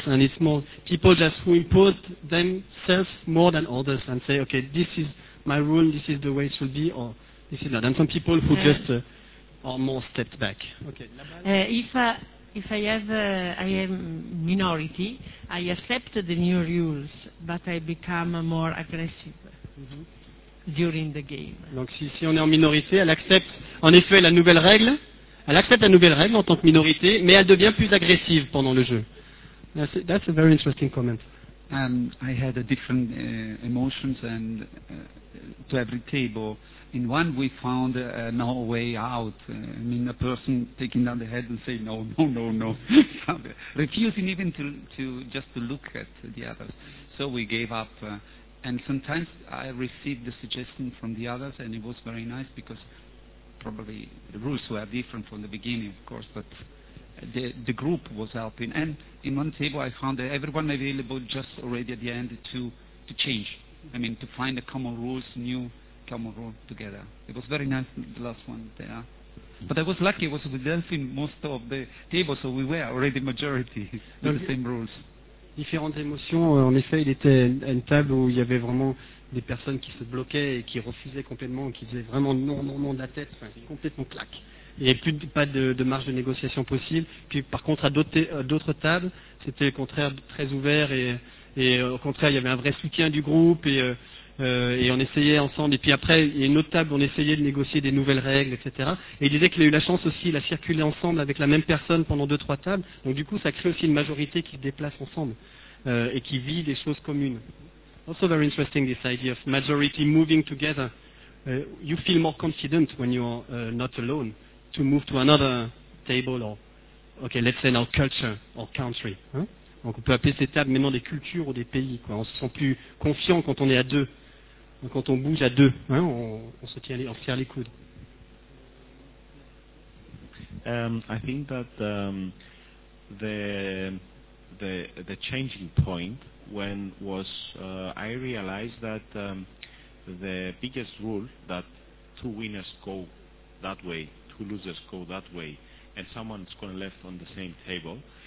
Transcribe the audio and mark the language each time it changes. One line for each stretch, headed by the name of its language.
English: And it's more people just who impose themselves more than others and say, okay, this is my rule, this is the way it should be, or this is not. And some people who just are more stepped back. Okay. If I have, I am minority, I accept the new rules, but I become more aggressive during the game.
French: Donc si on est en minorité, elle accepte en effet la nouvelle règle, elle accepte la nouvelle règle en tant que minorité, mais elle devient plus agressive pendant le jeu.
English: That's a very interesting comment. I had a different emotions and to every table. In one, we found no way out. I mean, a person taking down the head and saying no, refusing even to look at the others. So we gave up. And sometimes I received the suggestion from the others, and it was very nice because probably the rules were different from the beginning, of course. But the group was helping. And in one table, I found that everyone available just already at the end to change. I mean, to find the common rules, new. Come on, roll together. It was very nice, the last one there. But I was lucky, I was with Delphine most of the table, so we were already majority with the same rules.
French: Différentes émotions, en effet, il était à une table où il y avait vraiment des personnes qui se bloquaient et qui refusaient complètement, qui disaient vraiment non de la tête, enfin, complètement claque. Il n'y avait plus pas de marge de négociation possible. Puis par contre, à d'autres tables, c'était au contraire très ouvert et au contraire, il y avait un vrai soutien du groupe et on essayait ensemble. Et puis après, il y a une autre table, on essayait de négocier des nouvelles règles, etc. Et il disait qu'il a eu la chance aussi, il a circulé ensemble avec la même personne pendant 2-3 tables. Donc du coup, ça crée aussi une majorité qui se déplace ensemble et qui vit des choses communes.
English: Also very interesting this idea of majority moving together. You feel more confident when you are not alone to move to another table or, okay, let's say now culture or country. Hein?
French: Donc on peut appeler ces tables maintenant des cultures ou des pays. Quoi. On se sent plus confiant quand on est à deux. Quand on bouge à deux, hein, on se serre les coudes.
English: I think that the changing point when was I realized that the biggest rule that two winners go that way, two losers go that way, and someone's going left on the same table.